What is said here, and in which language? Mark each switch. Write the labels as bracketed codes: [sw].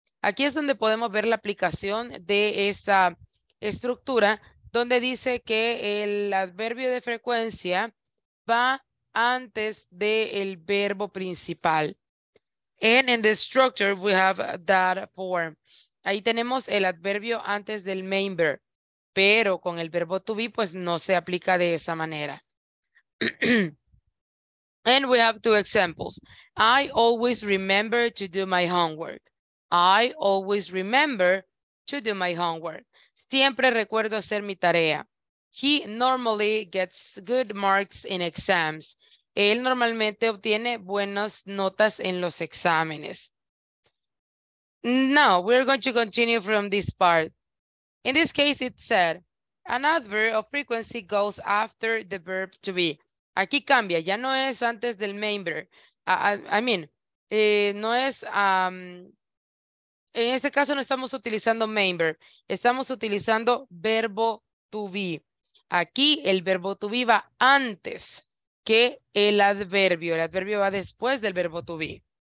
[es] Aquí es donde podemos ver la aplicación de esta estructura donde dice que el adverbio de frecuencia va antes del verbo principal. [en] And in the structure we have that form. [es] Ahí tenemos el adverbio antes del main verb, pero con el verbo to be, pues no se aplica de esa manera. [en] And we have two examples. I always remember to do my homework. I always remember to do my homework. [es] Siempre recuerdo hacer mi tarea. [en] He normally gets good marks in exams. [es] Él normalmente obtiene buenas notas en los exámenes. [en] Now, we're going to continue from this part. In this case, it said, an adverb of frequency goes after the verb to be. [es] Aquí cambia, ya no es antes del main verb. En este caso no estamos utilizando main verb, estamos utilizando verbo to be. Aquí el verbo to be va antes que el adverbio va después del verbo to be.